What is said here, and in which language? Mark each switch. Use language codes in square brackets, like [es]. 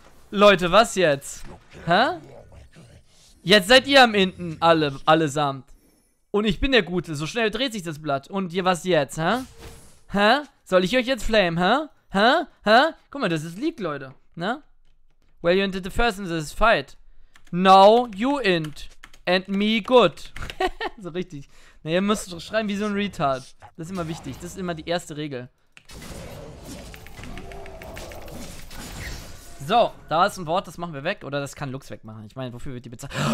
[de] Leute, was jetzt? Hä? Jetzt seid ihr am Inten, alle, allesamt. Und ich bin der Gute, so schnell dreht sich das Blatt. Und ihr, was jetzt, hä? Hä? Soll ich euch jetzt flamen, hä? Hä? Hä? Guck mal, das ist Leak, Leute. Ne? [en] Well, you entered the first in this fight. Now you int. And me good. [de] So richtig. Na, ihr müsst schreiben wie so ein Retard. Das ist immer wichtig. Das ist immer die erste Regel. So, da ist ein Wort, das machen wir weg. Oder das kann Lux wegmachen. Ich meine, wofür wird die bezahlt?